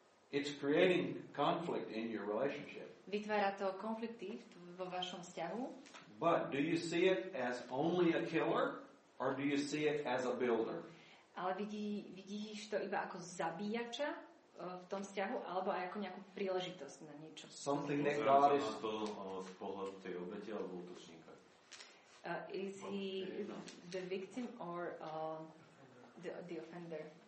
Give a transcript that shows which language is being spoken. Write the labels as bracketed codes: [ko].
[en] It's creating conflict in your relationship. [sk] Vytvára to konflikty vo vašom vzťahu. [en] But do you see it as only a killer or do you see it as a builder? [sk] Ale vidíš to iba ako zabíjača v tom vzťahu alebo aj ako nejakú príležitosť na niečo? [en] Something that God is [sk] to z pohľadu tej obete alebo útočníka. [en] Is he the victim or the offender?